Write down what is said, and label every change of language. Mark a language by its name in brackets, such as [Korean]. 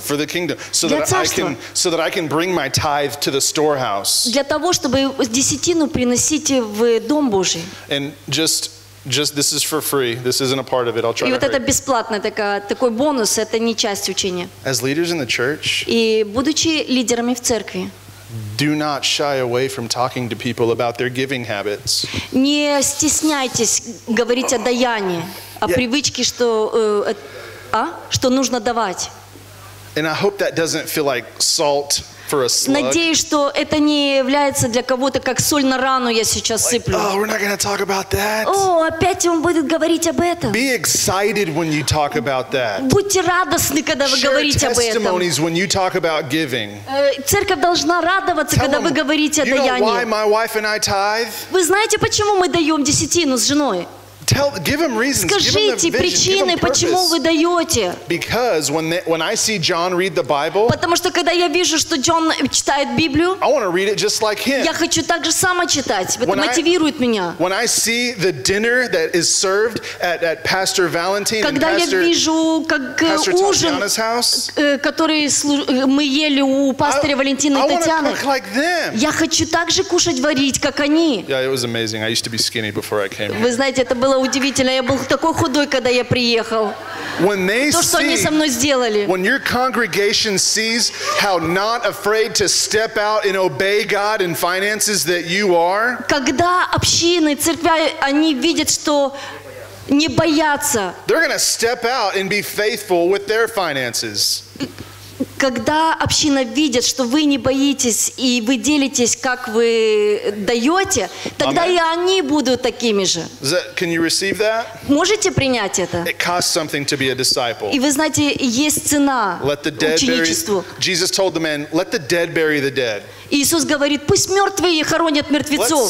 [English] For the kingdom, so that I can bring my tithe to the storehouse. [Russian] Для того, чтобы десятину приносить в дом Божий. [English] And just this is for free. This isn't a part of it. I'll try. [Russian] И вот это бесплатно, такой бонус. Это не часть учения. [English] As leaders in the church. [Russian] И будучи лидерами в церкви. [English] Do not shy away from talking to people about their giving habits. [Russian] Не стесняйтесь говорить о даянии, о привычке, что нужно давать. [English] And I hope that doesn't feel like salt for a slug. [Russian] Надеюсь, что это не является для кого-то как соль на рану я сейчас сыплю. [English] Oh, we're not going to talk about that. [Russian] О, опять он будет говорить об этом. [English] Be excited when you talk about that. [Russian] Будьте радостны, когда вы говорите об этом. [English] Share testimonies when you talk about giving. [Russian] Церковь должна радоваться, когда вы говорите о даянии. [English] You know why my wife and I tithe? [Russian] Вы знаете, почему мы даем десятину с женой? [English] Give them reasons. [Russian] Скажите причины, почему вы даете. [English] Because when I see John read the Bible. [Russian] Потому что когда я вижу, что Джон читает Библию. [English] I want to read it just like him. [Russian] Я хочу так же само читать. Это мотивирует меня. [English] When I see the dinner that is served at Pastor Valentin. [Russian] Когда я вижу, как ужин, который мы ели у пастора Валентина и Татьяны. [English] I want to cook like them. [Russian] Я хочу так же кушать, варить, как они. [English] Yeah, it was amazing. I used to be skinny before I came. [Russian] Вы знаете, это было удивительно. Я был такой худой, когда я приехал. То, что они со мной сделали. [English] When your congregation sees how not afraid to step out and obey God in finances that you are. [Russian] Когда общины, церкви, они видят, что не боятся. [English] They're going to step out and be faithful with their finances. [Russian] Когда община видит, что вы не боитесь и вы делитесь, как вы даете, тогда Amen. И они будут такими же. [English] Can you receive that? [Russian] Можете принять это? [English] It costs something to be a disciple. [Russian] И вы знаете, есть цена ученичеству. [English] Jesus told the man, let the dead bury the dead. [Russian] Иисус говорит, пусть мертвые хоронят мертвецов.